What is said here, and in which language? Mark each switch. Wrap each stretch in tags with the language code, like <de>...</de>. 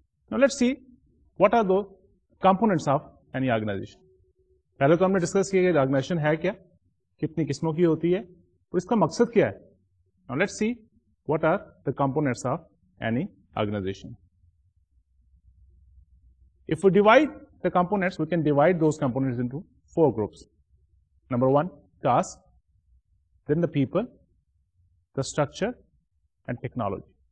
<en>Now let's see what are the components of any organization.</en> <ur>پہلے تو ہم نے ڈسکس کیا کہ آرگنائزیشن ہے کیا, کتنی قسموں کی ہوتی ہے اور اس کا مقصد کیا ہے.</ur> <en>Now let's see what are the components of any organization. If we divide the components, we can divide those components into four groups. Number one, task, then the people, the structure and technology.</en>